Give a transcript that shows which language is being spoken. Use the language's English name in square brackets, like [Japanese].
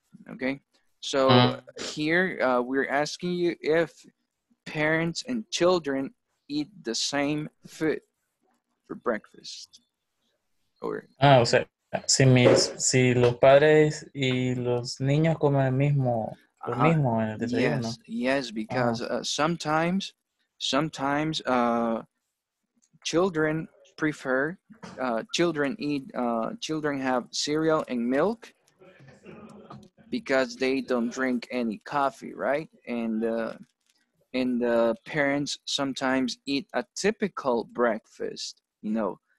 [English] Okay, so here we're asking you if parents and children eat the same food for breakfast. [Spanish] Ah, o sea, si los padres y los niños comen lo mismo en el desayuno. [English] Yes, because sometimes children prefer children have cereal and milk because they don't drink any coffee, right? And the parents sometimes eat a typical breakfast, you know.